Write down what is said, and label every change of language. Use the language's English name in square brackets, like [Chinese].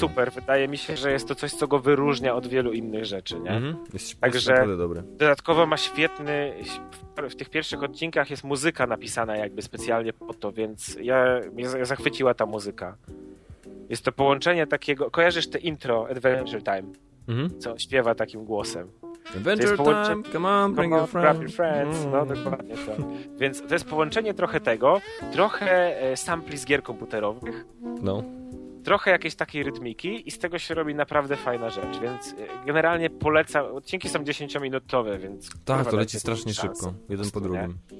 [Polish] To jest super, wydaje mi się, że jest to coś, co go wyróżnia od wielu innych rzeczy, nie? Mm-hmm. Jest naprawdę dobry. Dodatkowo ma świetny, w tych pierwszych odcinkach jest muzyka napisana jakby specjalnie po to, więc mnie zachwyciła ta muzyka. Jest to połączenie takiego, kojarzysz te intro Adventure Time, mm-hmm. co śpiewa takim głosem. [English] Adventure Time, come on, bring your friends. [Polish] No dokładnie to. Więc to jest połączenie trochę tego, trochę sampli z gier komputerowych, no. Trochę jakiejś takiej rytmiki i z tego się robi naprawdę fajna rzecz, więc generalnie polecam, odcinki są 10-minutowe, więc... Tak, to leci strasznie szybko, jeden po drugim.